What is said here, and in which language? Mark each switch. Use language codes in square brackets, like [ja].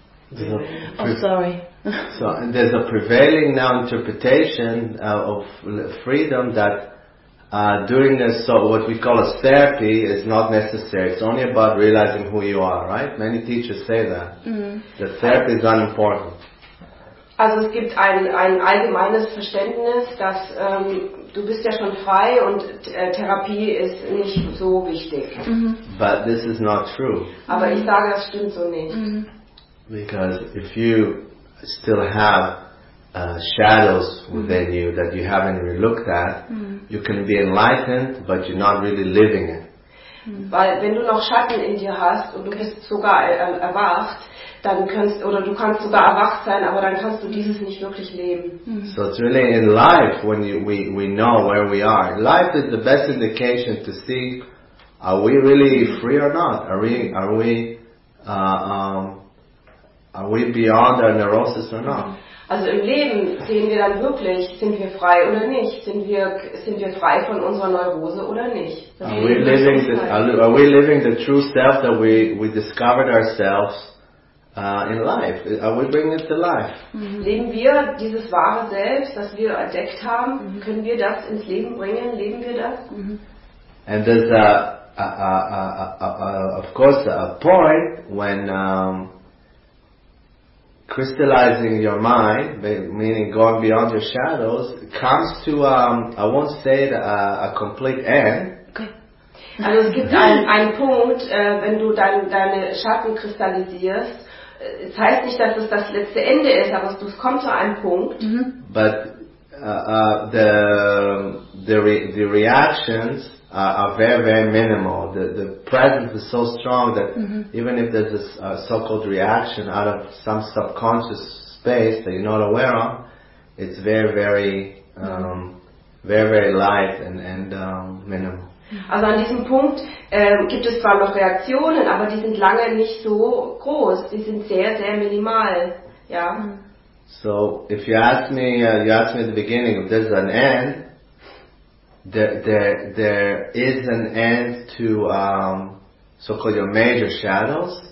[en] So there's a prevailing now interpretation of freedom that during this, so what we call as therapy is not necessary. It's only about realizing who you are, right? Many teachers say that. Mm-hmm. The therapy is unimportant. [de] Also es gibt ein allgemeines Verständnis, dass du bist ja schon frei und Therapie ist nicht so wichtig. Mm-hmm. [en] But this is not true. [de] Aber ich sage, das stimmt so nicht. Mm-hmm. [en] Because if you still have shadows within mm-hmm. you that you haven't really looked at, mm-hmm. you can be enlightened, but you're not really living it. Mm-hmm. [de] Weil wenn du noch Schatten in dir hast und du bist sogar erwacht, dann kannst oder du kannst sogar erwacht sein, aber dann kannst du dieses nicht wirklich leben. [en] So it's really in life when we know where we are. Life is the best indication to see, are we really free or not? Are we beyond our neurosis or not? [de] Also im Leben sehen wir dann wirklich, sind wir frei oder nicht? Sind wir frei von unserer Neurose oder nicht? [en] Are we living the true self that we discovered ourselves? In life, are we bringing it to life? Mm-hmm. [de] Leben wir dieses wahre Selbst, das wir entdeckt haben? Mm-hmm. Können wir das ins Leben bringen? Leben wir das? Mm-hmm. [en] And there's a point when crystallizing your mind, meaning going beyond your shadows, comes to I won't say it, a complete end. Okay. [de] Also es gibt einen Punkt, wenn du deine Schatten kristallisierst. Es heißt nicht, dass es das letzte Ende ist, aber es kommt zu einem Punkt. Mm-hmm. [en] But the reactions are very, very minimal. The presence is so strong that mm-hmm. even if there's a so-called reaction out of some subconscious space that you're not aware of, it's very, very, very, very light and minimal. [de] Also an diesem Punkt gibt es zwar noch Reaktionen, aber die sind lange nicht so groß. Die sind sehr, sehr minimal. Ja. [en] So, if you ask me, at the beginning, if there's an end, there is an end to so-called your major shadows,